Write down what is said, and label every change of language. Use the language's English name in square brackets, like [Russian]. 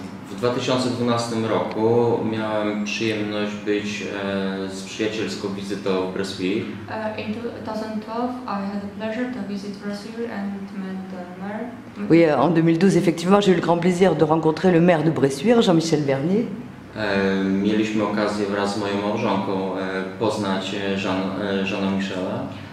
[Polish] W 2012 roku miałem przyjemność być z przyjacielską wizytą w Bressuire. [English] In 2012, I had the pleasure to visit Bressuire and met the mayor. [French] Oui, en 2012, effectivement, j'ai eu le grand plaisir de rencontrer le maire de Bressuire, Jean-Michel Bernier. [Polish] Mieliśmy okazję wraz z moją małżonką poznać Jeana Michela.